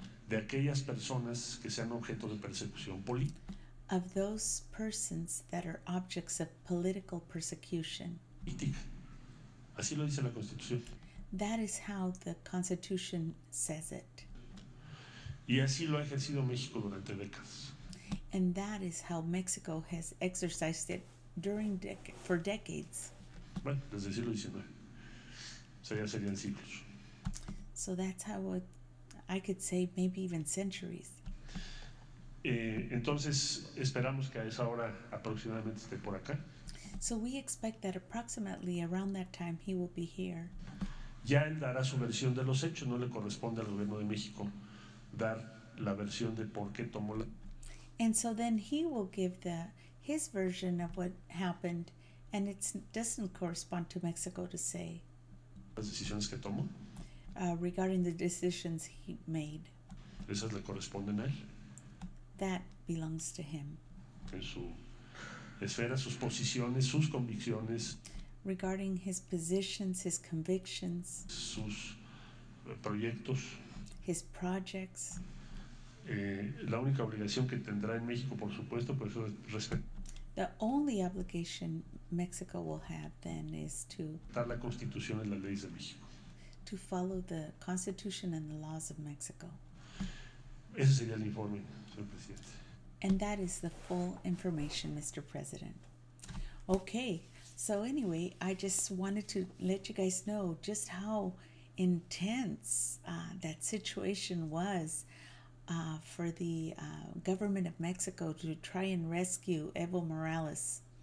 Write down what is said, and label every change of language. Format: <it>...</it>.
<es>de aquellas personas que sean objeto de persecución política,</es> <en>of those persons that are objects of political persecution.</en> <es>Así lo dice la Constitución.</es> <en>That is how the Constitution says it.</en> <es>Y así lo ha ejercido México durante décadas.</es> <en>And that is how Mexico has exercised it during for decades.</en> <es>Bueno, desde el siglo XIX. O sea, ya serían siglos.</es> <en>So that's how I could say maybe even centuries.</en> <es>Entonces, esperamos que a esa hora aproximadamente esté por acá.</es> <en>So we expect that approximately around that time he will be here.</en> <es>Ya él dará su versión de los hechos, no le corresponde al gobierno de México dar la versión de por qué tomó la.</es> <en>And so then he will give his version of what happened, and it doesn't correspond to Mexico to say.</en> <es>Las decisiones que tomó.</es> <en>Regarding the decisions he made.</en> <es>Esas le corresponden a él.</es> <en>That belongs to him.</en> <es>En su esfera, sus posiciones, sus convicciones.</es> <en>Regarding his positions, his convictions.</en> <es>Sus proyectos.</es> <en>His projects.</en> <es>La única obligación que tendrá en México, por supuesto, pues es respeto.</es> <en>The only obligation Mexico will have then is to</en> <es>respetar la Constitución y las leyes de México.</es> <en>To follow the Constitution and the laws of Mexico.</en> <es>Ese sería el informe, señor presidente.</es> <en>And that is the full information, Mr. President. Okay, so anyway, I just wanted to let you guys know just how intense that situation was for the government of Mexico to try and rescue Evo Morales.</en>